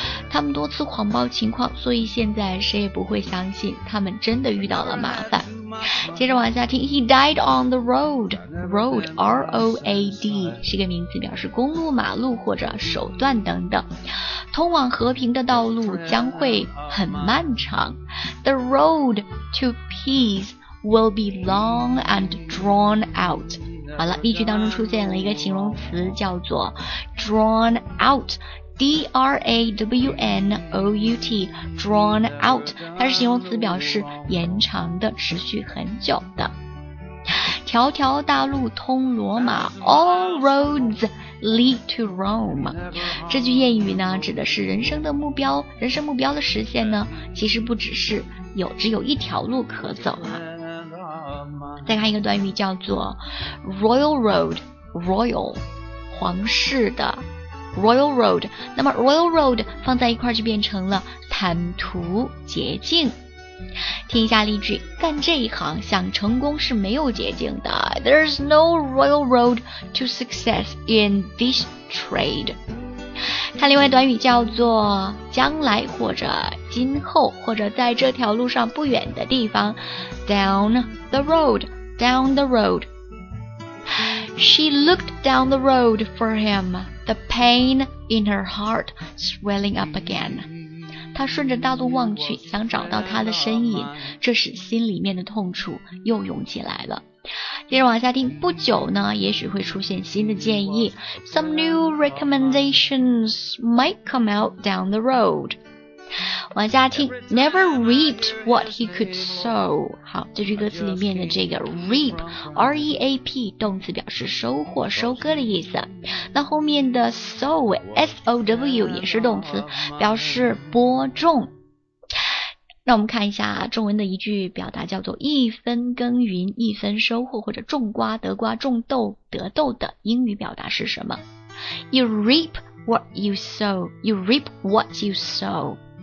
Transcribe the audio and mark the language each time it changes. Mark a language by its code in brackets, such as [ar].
[zh] 他们多次谎报情况，所以现在谁也不会相信他们真的遇到了麻烦。接着往下听， [en] He died on the road. [zh] Road, R-O-A-D, 是个名词，表示公路、马路或者手段等等。通往和平的道路将会很漫长。 [en] The road to peace will be long and drawn out. [zh] 好了，例句当中出现了一个形容词叫做 drawn out, D-R-A-W-N-O-U-T, drawn out, 它是形容词，表示延长的，持续很久的。条条大路通罗马， [en] All roads lead to Rome. [zh] 这句谚语呢，指的是人生的目标，人生目标的实现呢，其实不只是有只有一条路可走啊。再看一个短语叫做 Royal Road, Royal, 皇室的 Royal Road. 那么 Royal Road 放在一块就变成了坦途捷径。听一下例句，干这一行想成功是没有捷径的。 [en] There's no royal road to success in this trade. [zh] 看另外短语叫做将来或者今后或者在这条路上不远的地方。 [en] Down the road, down the road. She looked down the road for him, the pain in her heart swelling up again. [zh] 他顺着大路望去，想找到他的身影，这时心里面的痛楚又涌起来了。接着往下听，不久呢，也许会出现新的建议。 [en] Some new recommendations might come out down the road. [zh] 往下听， [en] Never reaped what he could sow. [zh] 好，这句歌词里面的这个 reap, R-E-A-P, 动词表示收获、收割的意思。那后面的 sow, S-O-W 也是动词，表示播种。那我们看一下中文的一句表达，叫做一分耕耘一分收获，或者种瓜得瓜种豆得豆的英语表达是什么？ [en] You reap what you sow, you reap what you sow.